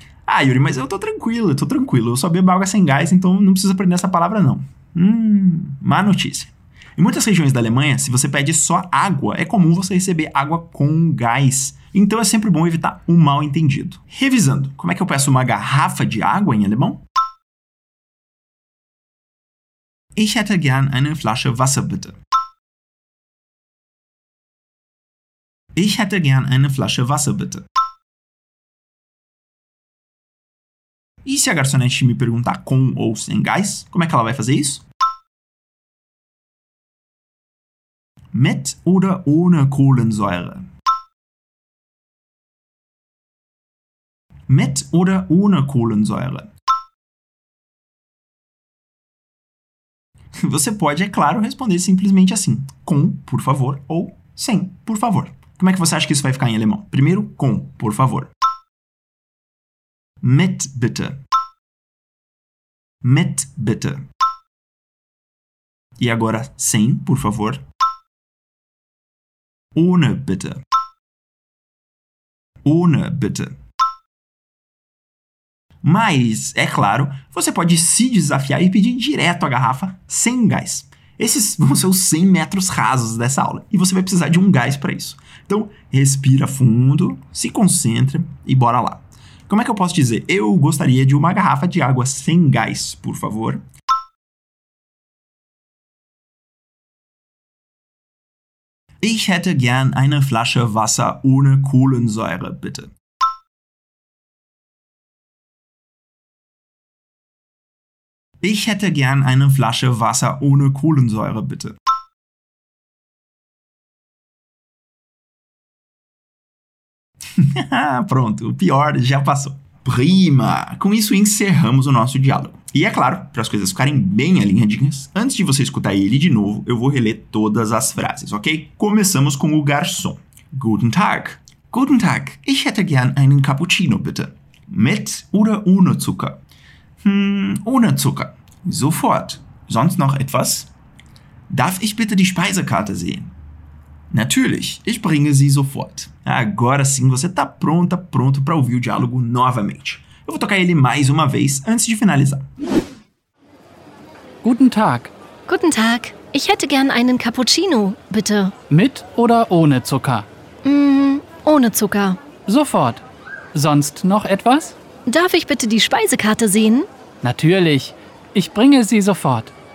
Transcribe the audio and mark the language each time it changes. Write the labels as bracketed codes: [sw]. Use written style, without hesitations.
[pt] Ah, Yuri, mas eu tô tranquilo, eu tô tranquilo. Eu só bebo água sem gás, então não preciso aprender essa palavra, não. Má notícia. Em muitas regiões da Alemanha, se você pede só água, é comum você receber água com gás. Então é sempre bom evitar um mal-entendido. Revisando, como é que eu peço uma garrafa de água em alemão? [de] Ich hätte gern eine Flasche Wasser, bitte. Ich hätte gern eine Flasche Wasser, bitte. [pt] E se a garçonete me perguntar com ou sem gás, como é que ela vai fazer isso? [de] Mit oder ohne Kohlensäure? Mit oder ohne Kohlensäure? [pt] Você pode, é claro, responder simplesmente assim: com, por favor, ou sem, por favor. Como é que você acha que isso vai ficar em alemão? Primeiro, com, por favor. [de] Mit bitte. Mit bitte. [pt] E agora, sem, por favor. [de] Ohne bitte. Ohne bitte. [pt] Mas, é claro, você pode se desafiar e pedir direto a garrafa sem gás. Esses vão ser os 100 metros rasos dessa aula e você vai precisar de um gás para isso. Então, respira fundo, se concentra e bora lá. Como é que eu posso dizer? Eu gostaria de uma garrafa de água sem gás, por favor. [de] Ich hätte gern eine Flasche Wasser ohne Kohlensäure, bitte. Ich hätte gern eine Flasche Wasser ohne Kohlensäure, bitte. [pt] Pronto, o pior já passou. Prima! Com isso, encerramos o nosso diálogo. E é claro, para as coisas ficarem bem alinhadinhas, antes de você escutar ele de novo, eu vou reler todas as frases, ok? Começamos com o garçom. [de] Guten Tag. Guten Tag. Ich hätte gern einen Cappuccino, bitte. Mit oder ohne Zucker? Ohne Zucker. Sofort. Sonst noch etwas? Darf ich bitte die Speisekarte sehen? Natürlich, ich bringe sie sofort. [pt] Agora sim, você tá pronta, pronto para ouvir o diálogo novamente. Eu vou tocar ele mais uma vez antes de finalizar. [de] Guten Tag. Guten Tag. Ich hätte gern einen Cappuccino, bitte. Mit oder ohne Zucker? Ohne Zucker. Sofort. Sonst noch etwas? Darf ich bitte die Speisekarte sehen? Natürlich. Ich bringe sie sofort.